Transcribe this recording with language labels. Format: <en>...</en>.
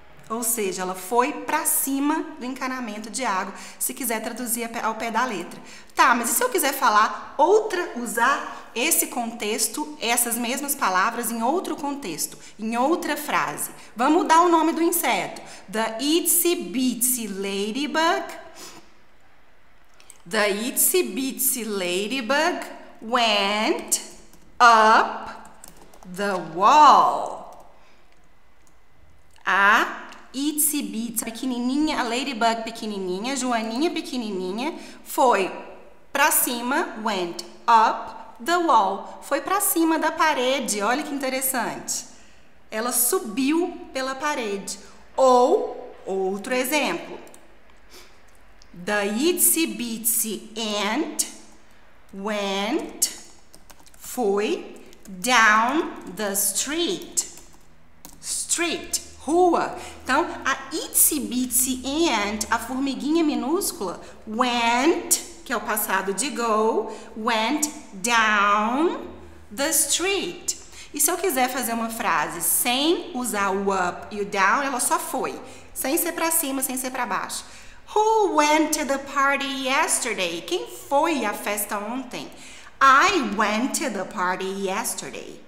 <pt>Ou seja, ela foi pra cima do encanamento de água, se quiser traduzir ao pé da letra. Tá, mas e se eu quiser falar outra, usar esse contexto, essas mesmas palavras em outro contexto, em outra frase? Vamos dar o nome do inseto.</pt> <en>The itsy bitsy ladybug. The itsy bitsy ladybug went up the wall.</en> <pt>A itsy bitsy pequenininha, a ladybug pequenininha, Joaninha pequenininha, foi pra cima,</pt> <en>went up the wall,</en> <pt>foi pra cima da parede. Olha que interessante, ela subiu pela parede. Ou outro exemplo,</pt> <en>the itsy bitsy ant went, foi down the street.</en> <pt>Street, rua. Então, a itsy bitsy ant, a formiguinha minúscula, went, que é o passado de go,</pt> <en>went down the street.</en> <pt>E se eu quiser fazer uma frase sem usar o up e o down, ela só foi. Sem ser pra cima, sem ser pra baixo.</pt> <en>Who went to the party yesterday?</en> <pt>Quem foi à festa ontem?</pt> <en>I went to the party yesterday.</en>